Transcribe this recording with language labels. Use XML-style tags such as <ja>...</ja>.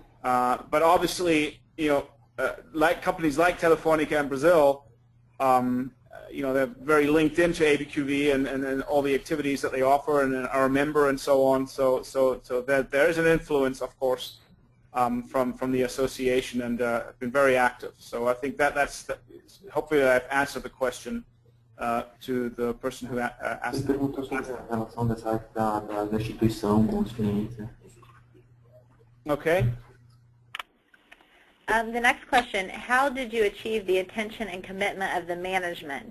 <en>But obviously, you know, like companies like Telefonica in Brazil, you know, they're very linked into ABQV and all the activities that they offer and are a member and so on. So that there is an influence, of course, from the association, and been very active. So I think that's hopefully I've answered the question to the person who asked.</en> <pt>Ele perguntou sobre a relação dessa da instituição com os clientes.</pt> <en>Okay. The next question, how did you achieve the attention and commitment of the management?</en>